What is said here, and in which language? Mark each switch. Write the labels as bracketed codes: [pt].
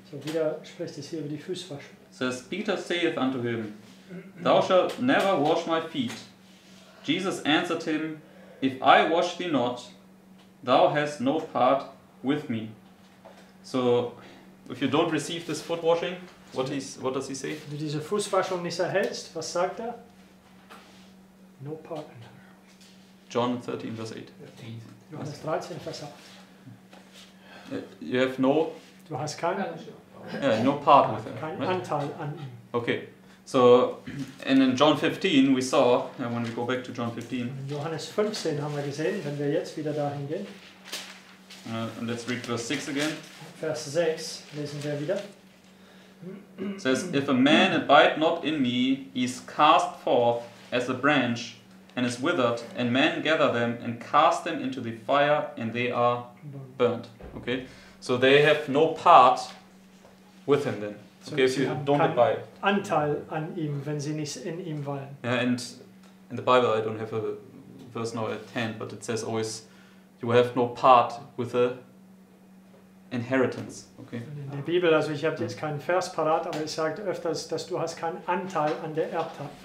[de] So wieder spricht es hier über die Füßwaschung. [en] Says, Peter saith unto him, thou shalt never wash my feet. Jesus answered him, if I wash thee not, thou hast no part with me. So, if you don't receive this foot washing, what does he say? [de] Wenn du diese Fußwaschung nicht erhältst, was sagt er? [en] No part in her. John 13, verse 8. [de] Johannes 13, Vers 8. [en] You have no. [de] Du hast keinen. [en] No part with him. [de] Kein [en] right? [de] Anteil an ihm. [en] Okay, so and in John 15 we saw, and when we go back to John 15. [de] In Johannes 15 haben wir gesehen, wenn wir jetzt wieder dahin gehen. [en] And let's read verse 6 again. [de] Vers 6 lesen wir wieder. [en] It says, if a man abide not in me, he is cast forth as a branch, and is withered, and men gather them and cast them into the fire, and they are burnt. Okay, so they have no part with him then. So okay, if you don't abide. [de] Anteil an ihm, wenn sie nicht in ihm wollen. [en] Yeah, and in the Bible I don't have a verse now at hand, but it says always, you have no part with the inheritance. Okay. [de] In der Bibel, also ich habe jetzt keinen Vers parat, aber es sagt öfters, dass du hast keinen Anteil an der Erbe.